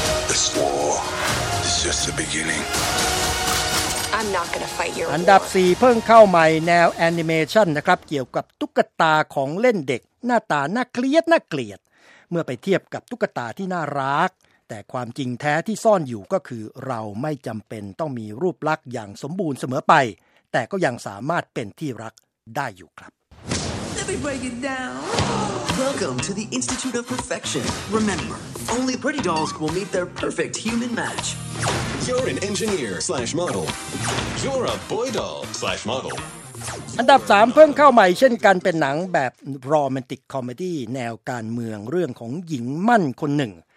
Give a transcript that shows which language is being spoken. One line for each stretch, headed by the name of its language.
English: This war is just the beginning
Thai: อันดับ4เพิ่งเข้าใหม่แนวแอนิเมชันนะครับเกี่ยวกับตุ๊กตาของเล่นเด็กหน้าตาน่าเกลียดน่าเกลียดเมื่อไปเทียบกับตุ๊กตาที่น่ารักแต่ความจริงแท้ที่ซ่อนอยู่ก็คือเราไม่จำเป็นต้องมีรูปลักษณ์อย่างสมบูรณ์เสมอไปแต่ก็ยังสามารถเป็นที่รักได้อยู่ครับ
English: Welcome to the Institute of Perfection. Remember, only pretty dolls will meet their perfect human match. You're an engineer slash model. You're a boy doll slash model.
Thai: อันดับ3เพิ่งเข้าใหม่เช่นกันเป็นหนังแบบ Romantic Comedy แนวการเมืองเรื่องของหญิงมั่นคนหนึ่ง